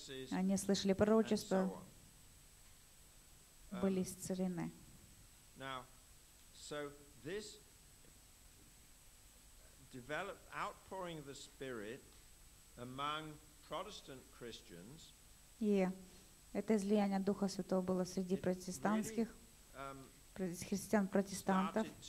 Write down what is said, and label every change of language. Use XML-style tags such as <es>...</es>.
<ru>Они слышали пророчества, были исцелены.</ru> <en>Now, so this developed outpouring of the Spirit among Protestant Christians.</en> <ru>И это излияние Духа Святого было среди протестантских христиан-протестантов.</ru>